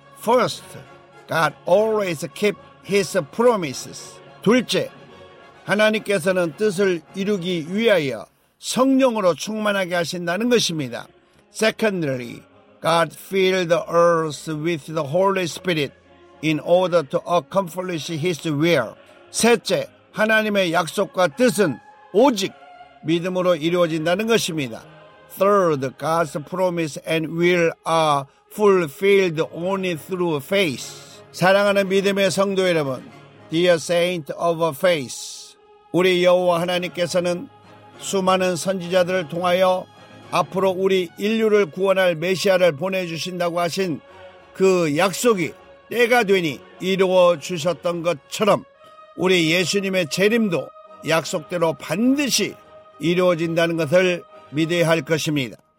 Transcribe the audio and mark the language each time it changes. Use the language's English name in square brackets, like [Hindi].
[English] First, God always keeps his promises. [Korean] 둘째, 하나님께서는 뜻을 이루기 위하여 성령으로 충만하게 하신다는 것입니다. [English] Secondly, God filled the earth with the Holy Spirit in order to accomplish his will. [Korean] 셋째, 하나님의 약속과 뜻은 오직 믿음으로 이루어진다는 것입니다. [English] Third, God's promise and will are fulfilled only through faith. [Korean] 사랑하는 믿음의 성도 여러분, [English] Dear Saint of Faith, [Korean] 우리 여호와 하나님께서는 수많은 선지자들을 통하여 앞으로 우리 인류를 구원할 메시아를 보내주신다고 하신 그 약속이 때가 되니 이루어 주셨던 것처럼 우리 예수님의 재림도 약속대로 반드시 이루어진다는 것을 믿어야 할 것입니다.